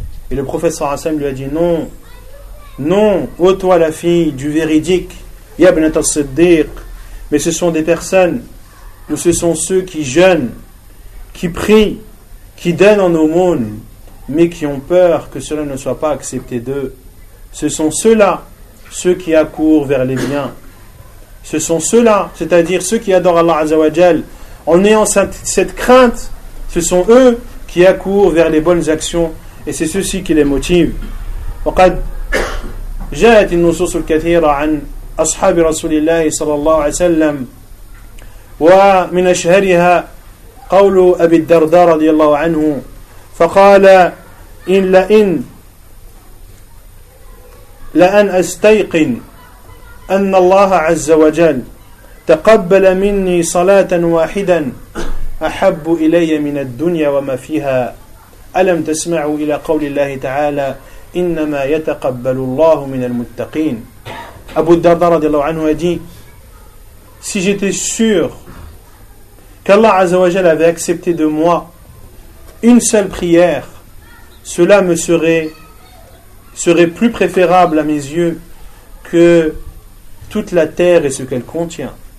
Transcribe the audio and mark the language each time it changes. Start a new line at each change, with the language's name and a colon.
French: Et le prophète sallallahu alayhi wa sallam lui a dit: non, non, ô toi la fille du véridique,
Arabic: ya bnat as-siddiq,
French: mais ce sont des personnes, ou ce sont ceux qui jeûnent, qui prient, qui donnent en aumône, mais qui ont peur que cela ne soit pas accepté d'eux. Ce sont ceux-là, ceux qui accourent vers les biens. Ce sont ceux-là, c'est-à-dire ceux qui adorent Allah Azza wa Jal, en ayant cette crainte, ce sont eux qui accourent vers les bonnes actions, et c'est ceci qui les motive.
Arabic: وقد جاءت النصوص الكثيرة عن أصحاب رسول الله صلى الله عليه وسلم ومن أشهرها قول أبي الدرداء رضي الله عنه فقال: إلا إن لأن أستيقن أن الله عز وجل تقبل مني صلاة واحدا أحب إلي من الدنيا وما فيها. ألم تسمعوا إلى قول الله تعالى: إنما يتقبل الله من المتقين. أبو الدرداء رضي الله عنه قال:
French: si j'étais sûr qu'Allah عز وجل avait accepté de moi une seule prière, cela me serait plus préférable à mes yeux que toute la terre et ce qu'elle contient.